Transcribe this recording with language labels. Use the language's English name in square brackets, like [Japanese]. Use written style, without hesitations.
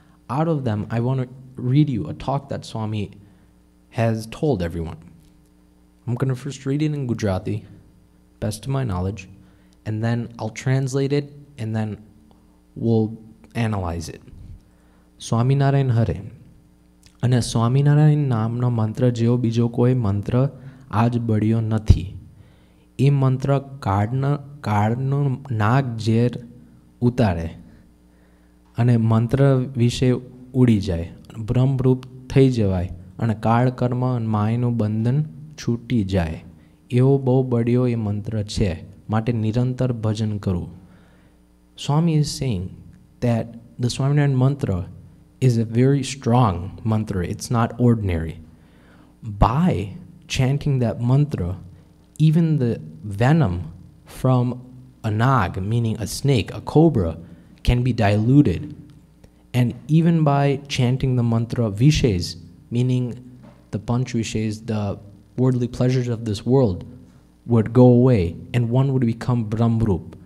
[English] Out of them, I want to read you a talk that Swami has told everyone. I'm going to first read it in Gujarati, best to my knowledge, and then I'll translate it, and then we'll analyze it. Swaminarayan Hare. [Gujarati] અને સ્વામિનારાયણ નામનો મંત્ર જેવો બીજો કોઈ મંત્ર આજ બળ્યો નથી. એ મંત્ર કાળનો નાગ ઝેર ઉતારે અને મંત્ર વિશે ઉડી જાય, બ્રહ્મરૂપ થઈ જવાય અને કાળ કર્મ માયનું બંધન છૂટી જાય, એવો બહુ બળ્યો એ મંત્ર છે. માટે નિરંતર ભજન કરવું. [English] Swami is saying that the Swaminarayan mantra is a very strong mantra. It's not ordinary. By chanting that mantra, even the venom from a nag, meaning a snake, a cobra, can be diluted. And even by chanting the mantra vishes, meaning the panch vishes, the worldly pleasures of this world, would go away and one would become brahmrup.